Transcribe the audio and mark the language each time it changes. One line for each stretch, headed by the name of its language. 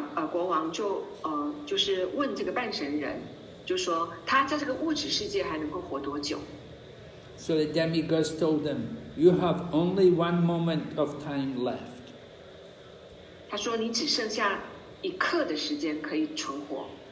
Chinese: 国王就是问这个半神人，就说他在这个物质世界还能够活多久。
English: So the demigods told them, you have only one moment of time left.
Chinese: 他说你只剩下一刻的时间可以存活。